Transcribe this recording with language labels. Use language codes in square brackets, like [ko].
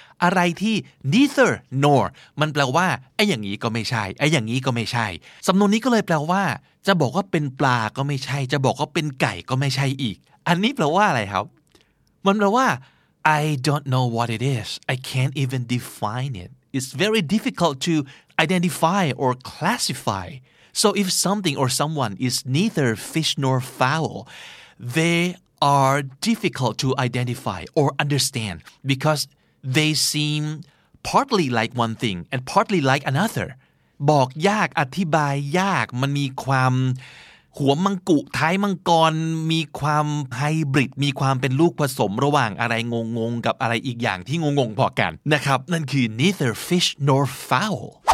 [th] อะไรที่ Neither nor มันแปลว่าไอ้อย่างนี้ก็ไม่ใช่ไอ้อย่างนี้ก็ไม่ใช่สำนวนนี้ก็เลยแปลว่าจะบอกว่าเป็นปลาก็ไม่ใช่จะบอกว่าเป็นไก่ก็ไม่ใช่อีกอันนี้แปลว่าอะไรครับมันแปลว่า [en] I don't know what it is I can't even define it It's very difficult toIdentify or classify. So if something or someone is neither fish nor fowl, they are difficult to identify or understand because they seem partly like one thing and partly like another. [th] บอกยากอธิบายยากมันมีความหัวมังกุท้ายมังกรมีความไฮบริดมีความเป็นลูกผสมระหว่างอะไรงงๆกับอะไรอีกอย่างที่งงๆพอกันนะครับนั่นคือ [en] neither fish nor fowl.